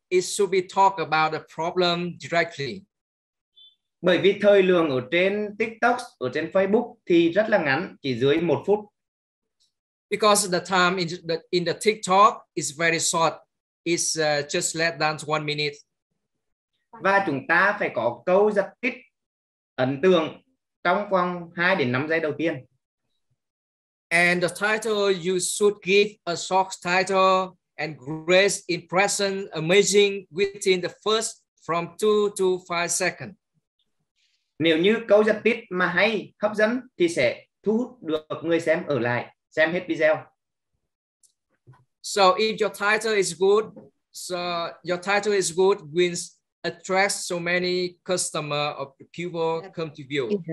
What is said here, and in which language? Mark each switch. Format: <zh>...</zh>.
<en>It should be talk about the problem directly.</en> <vi>Bởi vì thời lượng ở trên TikTok, ở trên Facebook thì rất là ngắn, chỉ dưới 1 phút.</vi> <en>Because the time in the TikTok is very short. It's just less than 1 minute.</en> <vi>Và chúng ta phải có câu giật tít ấn tượng trong vòng 2 đến 5 giây đầu tiên.</vi> <en>And the title, you should give a short title and great impression, amazing within the first from 2 to 5 seconds.</en> <vi>Nếu như câu giật tít mà hay, hấp dẫn thì sẽ thu hút được người xem ở lại xem hết video.</vi> <en>So if your title is good, so your title is good wins attracts so many customer of people come to view.</en>